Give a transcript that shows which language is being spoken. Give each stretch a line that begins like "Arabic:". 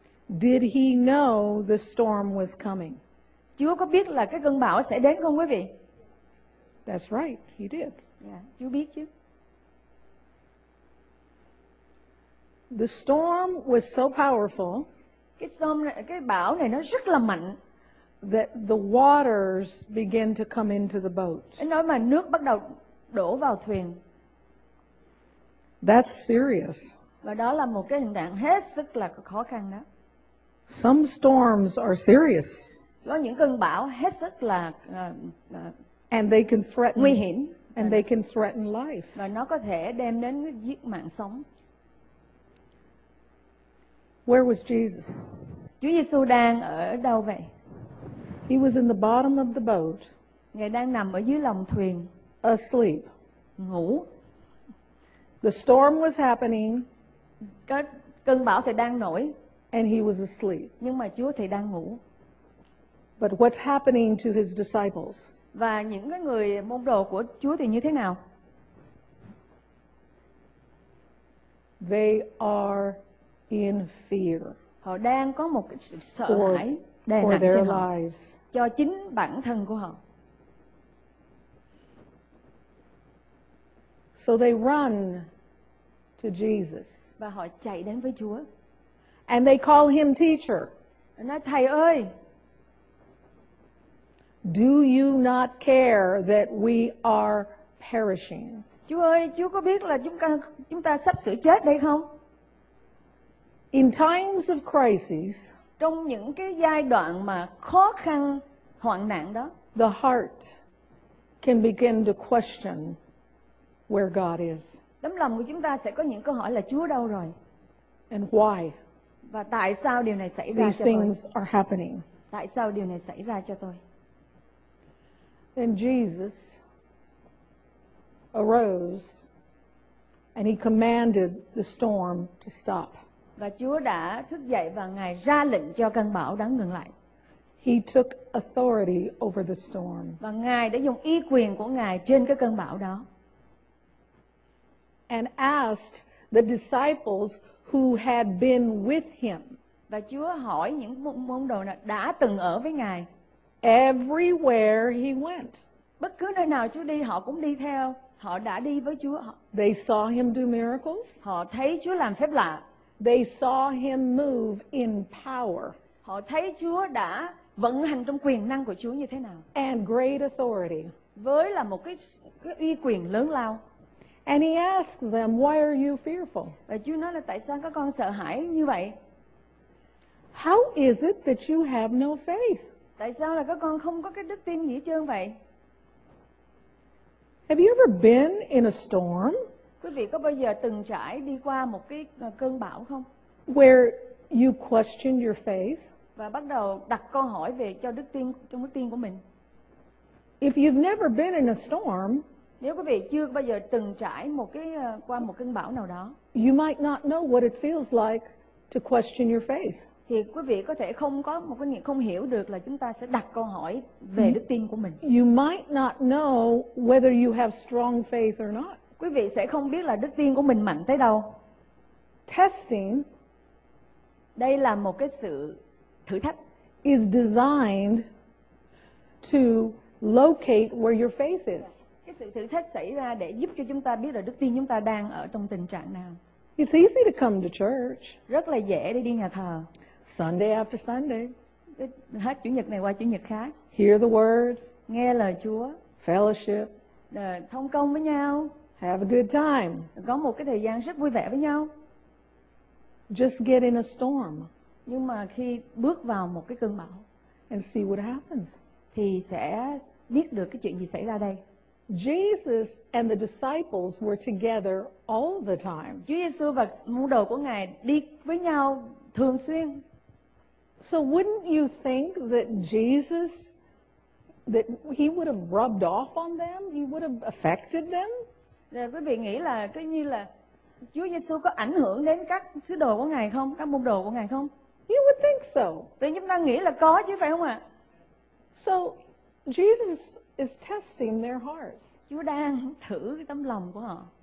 English: Did he know the storm was coming?
Vietnamese: Chúa có biết là cái cơn bão sẽ đến không quý vị?
English: That's right, he did.
Vietnamese: Yeah, Chúa biết chứ.
English: The storm was so powerful.
Vietnamese: Cái bão này nó rất là mạnh.
English: That the waters began to come into the boat.
Vietnamese: Nói mà nước bắt đầu đổ vào thuyền.
English: That's serious.
Vietnamese: Và đó là một cái hiện trạng hết sức là khó khăn đó.
English: Some storms are serious.
Vietnamese: Có những cơn bão hết sức là
English: and they can threaten
Vietnamese: nguy hiểm.
English: And they can threaten life.
Vietnamese: Và nó có thể đem đến giết mạng sống.
English: Where was Jesus?
Vietnamese: Chúa Giêsu đang ở đâu vậy?
English: He was in the bottom of the boat.
Vietnamese: Ngài đang nằm ở dưới lòng thuyền.
English: Asleep.
Vietnamese: Ngủ.
English: The storm was happening.
Vietnamese: Cơn bão thì đang nổi.
English: And he was asleep.
Vietnamese: Nhưng mà Chúa thì đang ngủ.
English: But what's happening to his disciples?
Vietnamese: Và những cái người môn đồ của Chúa thì như thế nào?
English: They are in fear.
Vietnamese: Họ đang có một sự sợ hãi đè nặng trên họ, cho chính bản thân của họ.
English: So they run to Jesus.
Vietnamese: Và họ chạy đến với Chúa.
English: And they call him teacher.
Vietnamese: Nói thầy ơi.
English: Do you not care that we are perishing?
Vietnamese: Chúa ơi, Chúa có biết là chúng ta sắp sửa chết đây không?
English: In times of crisis,
Vietnamese: trong những cái giai đoạn mà khó khăn, hoạn nạn đó,
English: the heart can begin to question where God is.
Vietnamese: Tấm lòng của chúng ta sẽ có những câu hỏi là Chúa đâu rồi?
English: And why?
Vietnamese: Và tại sao điều này xảy ra cho tôi?
English: These things are happening.
Vietnamese: Tại sao điều này xảy ra cho tôi?
English: Then Jesus arose and he commanded the storm to stop.
Vietnamese: Và Chúa đã thức dậy và Ngài ra lệnh cho cơn bão đã ngừng lại.
English: He took authority over the storm.
Vietnamese: Và Ngài đã dùng uy quyền của Ngài trên cái cơn bão đó.
English: And asked the disciples who had been with him.
Vietnamese: Và Chúa hỏi những môn đồ nào đã từng ở với Ngài.
English: Everywhere he went.
Vietnamese: Bất cứ nơi nào Chúa đi, họ cũng đi theo. Họ đã đi với Chúa.
English: They saw him do miracles.
Vietnamese: Họ thấy Chúa làm phép lạ.
English: They saw him move in power.
Vietnamese: Họ thấy Chúa đã vận hành trong quyền năng của Chúa như thế nào.
English: And great authority.
Vietnamese: Với là một cái uy quyền lớn lao.
English: And he asks them, "Why are you fearful?"
Vietnamese: Và Chúa nói là tại sao các con sợ hãi như vậy?
English: How is it that you have no faith?
Vietnamese: Tại sao là các con không có cái đức tin gì hết trơn vậy?
English: Have you ever been in a storm?
Vietnamese: Quý vị có bao giờ từng trải đi qua một cái cơn bão không?
English: Where you questioned your faith?
Vietnamese: Và bắt đầu đặt câu hỏi về cho đức tin, trong đức tin của mình.
English: If you've never been in a storm,
Vietnamese: nếu quý vị chưa bao giờ từng trải một cái qua một cơn bão nào đó,
English: you might not know what it feels like to question your faith.
Vietnamese: Thì quý vị có thể không có một cái nghĩa không hiểu được là chúng ta sẽ đặt câu hỏi về đức tin của mình.
English: You might not know whether you have strong faith or not.
Vietnamese: Quý vị sẽ không biết là đức tin của mình mạnh tới đâu.
English: Testing,
Vietnamese: đây là một cái sự thử thách,
English: is designed to locate where your faith is.
Vietnamese: Cái sự thử thách xảy ra để giúp cho chúng ta biết là đức tin chúng ta đang ở trong tình trạng nào.
English: It's easy to come to church.
Vietnamese: Rất là dễ để đi nhà thờ.
English: Sunday after Sunday.
Vietnamese: Hết chủ nhật này qua chủ nhật khác.
English: Hear the word.
Vietnamese: Nghe lời Chúa.
English: Fellowship.
Vietnamese: Thông công với nhau.
English: Have a good time.
Vietnamese: Có một cái thời gian rất vui vẻ với nhau.
English: Just get in a storm.
Vietnamese: Nhưng mà khi bước vào một cái cơn bão.
English: And see what happens.
Vietnamese: Thì sẽ biết được cái chuyện gì xảy ra đây.
English: Jesus and the disciples were together all the time.
Vietnamese: Chúa Giêsu và môn đồ của Ngài đi với nhau thường xuyên.
English: So wouldn't you think that Jesus, that he would have rubbed off on them? He would have affected them?
Vietnamese: Rồi quý vị nghĩ là cứ như là Chúa Giêsu có ảnh hưởng đến các sứ đồ của Ngài không? Các môn đồ của Ngài không?
English: You would think so.
Vietnamese: Thì chúng ta nghĩ là có chứ phải không ạ?
English: So Jesus is testing their hearts.
Vietnamese: Chúa đang thử cái tấm lòng của họ.